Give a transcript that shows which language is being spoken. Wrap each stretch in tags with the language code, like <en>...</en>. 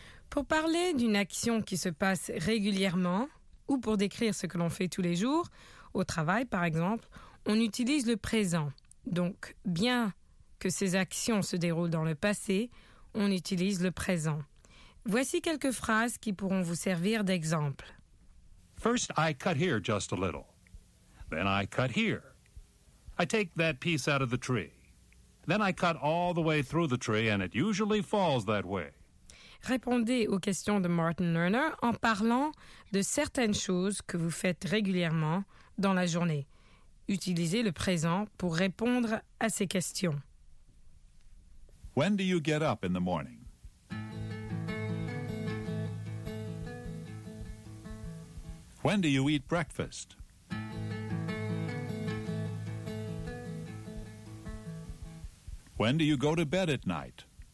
<fr>Pour parler d'une action qui se passe régulièrement, ou pour décrire ce que l'on fait tous les jours, au travail par exemple, on utilise le présent. Donc, bien que ces actions se déroulent dans le passé, on utilise le présent. Voici quelques phrases qui pourront vous servir d'exemple.</fr> <en>First, I cut here just a little. Then I cut here. I take that piece out of the tree. Then I cut all the way through the tree and it usually falls that way.</en> <fr>Répondez aux questions de Martin Lerner en parlant de certaines choses que vous faites régulièrement dans la journée. Utilisez le présent pour répondre à ces questions.</fr> <en>When do you get up in the morning? When do you eat breakfast? When do you go to bed at night?</en>